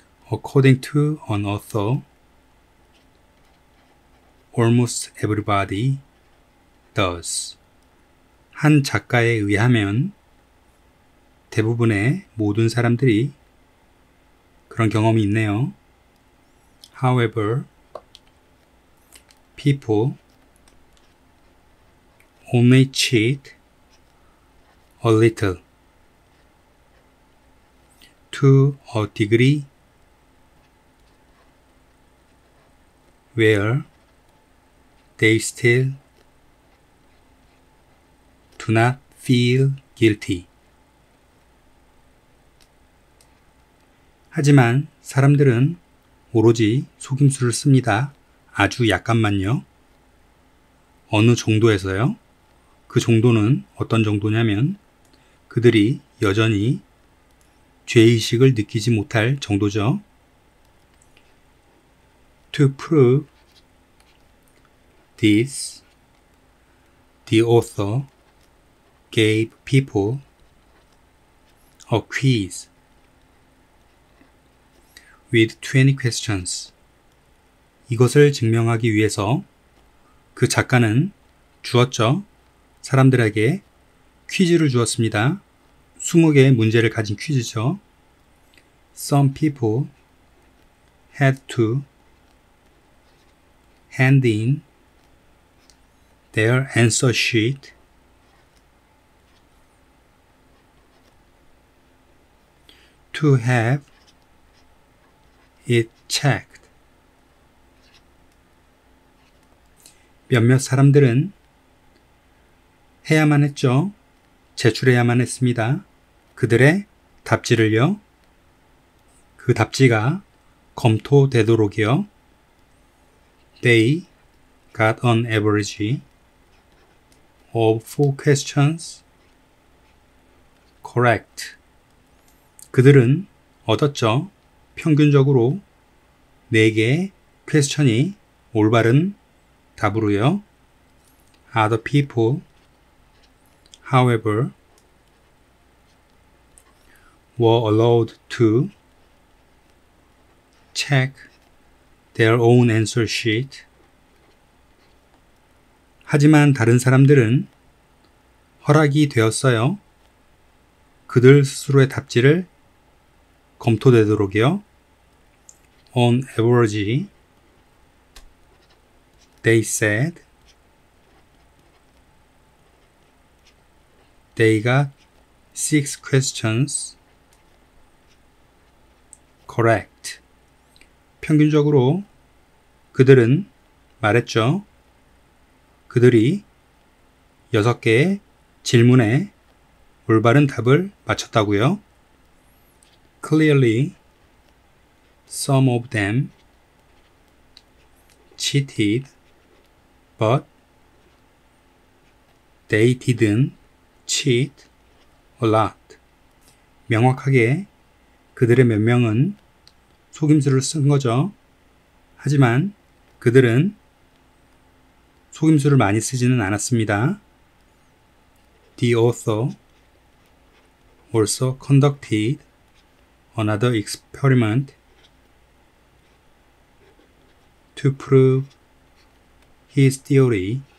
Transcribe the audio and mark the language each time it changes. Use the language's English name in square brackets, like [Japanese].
[English] According to an author, almost everybody does. [Korean] 한 작가에 의하면 대부분의 모든 사람들이 그런 경험이 있네요. [English] However, people only cheat a little to a degree where they still do not feel guilty. [Korean] 하지만 사람들은 오로지 속임수를 씁니다. 아주 약간만요. 어느 정도에서요? 그 정도는 어떤 정도냐면 그들이 여전히 죄의식을 느끼지 못할 정도죠. [English] To prove this, the author gave people a quiz with 20 questions. [Korean] 이것을 증명하기 위해서 그 작가는 주었죠. 사람들에게 퀴즈를 주었습니다. 20개의 문제를 가진 퀴즈죠. [English] Some people had to hand in their answer sheet to have it checked. [Korean] 몇몇 사람들은 해야만 했죠. 제출해야만 했습니다. 그들의 답지를요. 그 답지가 검토되도록이요. [English] They got an average of 4 questions correct. [Korean] 그들은 얻었죠. 평균적으로 4개의 퀘스천이 올바른 답으로요. [English] Other people, however, were allowed to check their own answer sheet. [Korean] 하지만 다른 사람들은 허락이 되었어요. 그들 스스로의 답지를 검토되도록이요. [English] On average, they said they got 6 questions correct. [Korean] 평균적으로 그들은 말했죠. 그들이 6개의 질문에 올바른 답을 맞췄다고요. [English] Clearly, some of them cheated, but they didn't cheat a lot. [Korean] 명확하게 그들의 몇 명은 속임수를 쓴 거죠. 하지만 그들은 속임수를 많이 쓰지는 않았습니다. [English] The author also conducted another experiment to prove his theory.